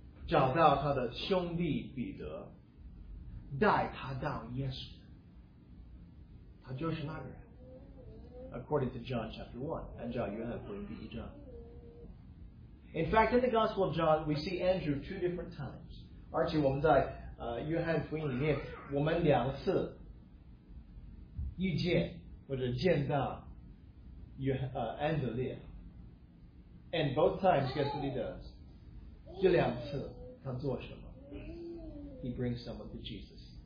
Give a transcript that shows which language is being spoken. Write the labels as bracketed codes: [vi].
[zh] 安德烈就是那位找到他的兄弟彼得。带他到耶稣，他就是那个人。 [en] According to John chapter 1, [zh] 按照约翰福音第一章。 [en] In fact, in the Gospel of John, we see Andrew two different times. [zh] 而且我们在约翰福音里面，我们两次遇见或者见到约安德烈。 [en] And both times, guess what he does? [zh] 这两次他做什么？ [en] He brings someone to Jesus.